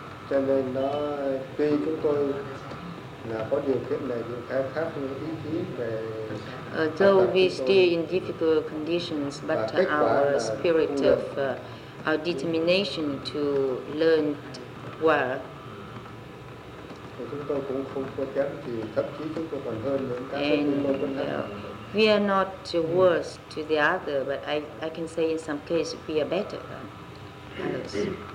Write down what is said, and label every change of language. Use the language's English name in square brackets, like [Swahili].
[Vietnamese] Cho nên nó tuy chúng tôi là có điều kiện này điều khác nhưng ý chí về [English] Though we still in difficult conditions, but our spirit of our determination to learn well. [Vietnamese] Chúng tôi cũng không thua kém thì thậm chí chúng tôi còn hơn những các quân đội. [English] We are not worse to the other, but I can say in some cases we are better than others.